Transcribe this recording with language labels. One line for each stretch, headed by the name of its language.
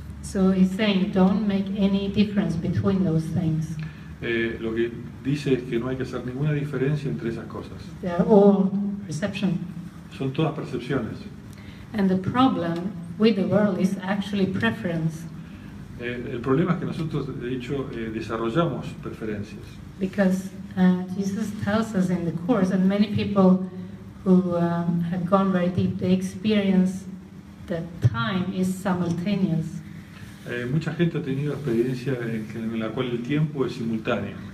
English: So he's saying, don't make any difference between those things.
Spanish: Lo que dice es que no hay que hacer ninguna diferencia entre esas cosas.
English: They are all perception.
Spanish: Son todas percepciones.
English: And the problem with the world is actually preference.
Spanish: El problema es que nosotros, de hecho, desarrollamos preferencias.
English: Because Jesus tells us in the course, and many people who have gone very deep, they experience that time is simultaneous.
Spanish: Mucha gente ha tenido experiencia en la cual el tiempo es simultáneo.